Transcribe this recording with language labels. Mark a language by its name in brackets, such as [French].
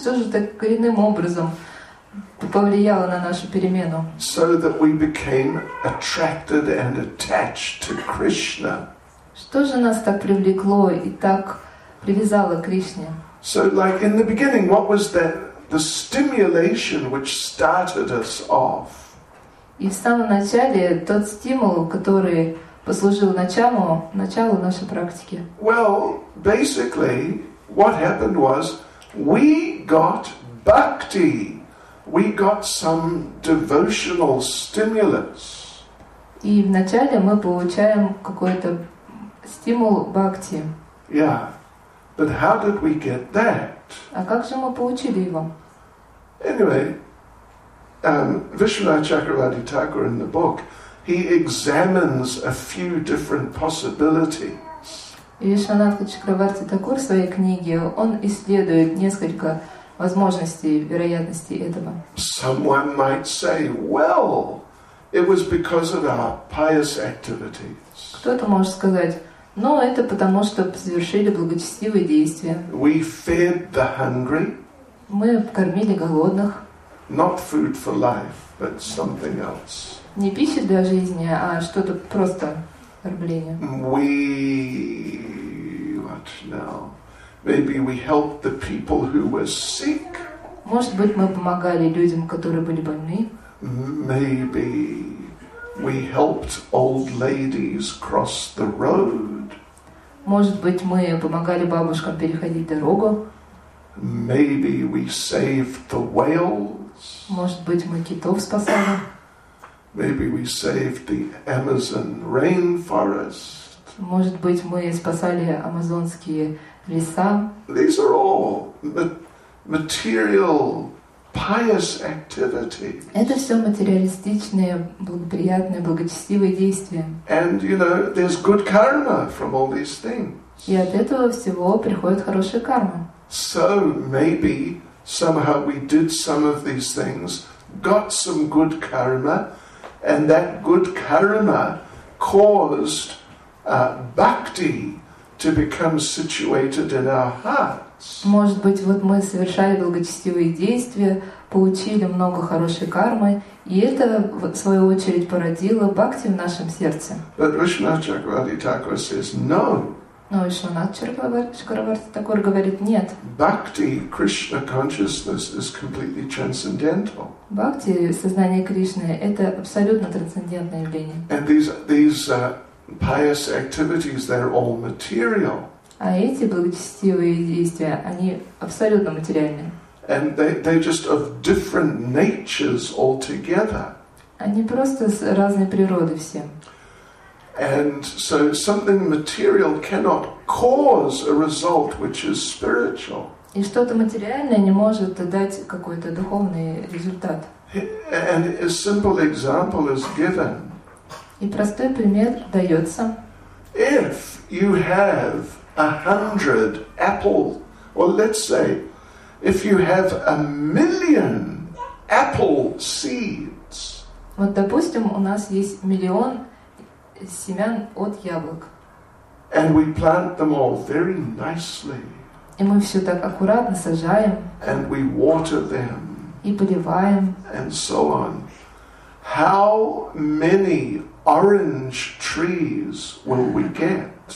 [Russian] Что же так коренным образом повлияло на нашу перемену? [English] So that we became attracted and attached to Krishna. [Russian] Что же нас так привлекло и так привязало к Кришне? [English] So like in the beginning, what was the stimulation which started us off? [Russian] И в самом начале тот стимул, который послужил началу нашей практики. [English] Well, basically, what happened was we got bhakti. We got some devotional stimulus. [Russian] И вначале мы получаем какой-то стимул бхакти. [English] Yeah. But how did we get that? [Russian] А как же мы получили его? [English] Anyway, Vishwanatha Chakravarti Thakur in the book, he examines a few different possibilities. [Russian] Вишванатха Чакраварти Такур в своей книге, он исследует несколько возможностей, вероятностей этого. [English] Someone might say, well, it was because of our pious activities. [Russian] Кто-то может сказать, ну, это потому, что совершили благочестивые действия. [English] We fed the hungry. [Russian] Мы кормили голодных. [English] not food for life, but something else. [Russian] Не пища для жизни, а что-то просто кормление. [English] We what now? Maybe we helped the people who were sick. [Russian] Может быть, мы помогали людям, которые были больны. [English] Maybe we helped old ladies cross the road. [Russian] Может быть, мы помогали бабушкам переходить дорогу. [English] Maybe we saved the whales. [Russian] Может быть, мы китов спасали. [English] Maybe we saved the Amazon rainforest. [Russian] Может быть, мы спасали амазонские леса. [English] These are all material pious activities. [Russian] Это все материалистичные, благоприятные, благочестивые действия. [English] And you know, there's good karma from all these things. [Russian] И от этого всего приходит хорошая карма. [English] So maybe somehow we did some of these things, got some good karma, and that good karma caused bhakti to become situated in our hearts. [Russian] Может быть, вот мы совершали благочестивые действия, получили много хорошей кармы, и это в свою очередь породило бхакти в нашем сердце. [English] But Vishwanath Chakravarti Thakur says no. [Russian] Но Вишванат Чакраварти Такур говорит нет. [English] Bhakti, Krishna consciousness, is completely transcendental. [Russian] Бхакти, сознание Кришны, это абсолютно трансцендентное явление. [English] And these pious activities, they're all material. [Russian] А эти благочестивые действия, они абсолютно материальны. [English] And they're just of different natures altogether. [Russian] Они просто с разной природы все. [English] And so something material cannot cause a result which is spiritual. [Russian] И что-то материальное не может дать какой-то духовный результат. [English] And a simple example is given. [Russian] И простой пример дается. [English] If you have 100 apples, or let's say, if you have 1,000,000 apple seeds. [Russian] Вот допустим, у нас есть 1,000,000 семян от яблок. [English] And we plant them all very nicely. [Russian] И мы все так аккуратно сажаем. [English] And we water them. [Russian] И поливаем. [English] And so on. How many orange trees will we get?